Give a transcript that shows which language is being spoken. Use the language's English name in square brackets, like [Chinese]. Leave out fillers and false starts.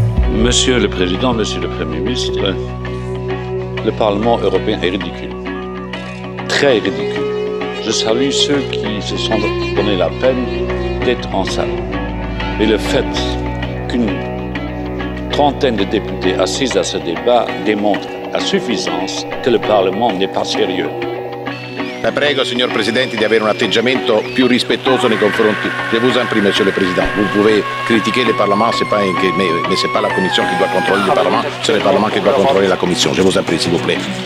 [French] Monsieur le Président, Monsieur le Premier ministre, le Parlement européen est ridicule. Très ridicule. Je salue ceux qui se sont donné la peine d'être en salle. Et le fait qu'une trentaine de députés assistent à ce débat démontre à suffisance que le Parlement n'est pas sérieux. [Italian] La prego, signor Presidente, di avere un atteggiamento più rispettoso nei confronti. [French] Je vous en prie, monsieur le Président. Vous pouvez critiquer le Parlement, mais c'est pas la Commission qui doit contrôler le Parlement, c'est le Parlement qui doit contrôler la Commission. Je vous en prie, s'il vous plaît.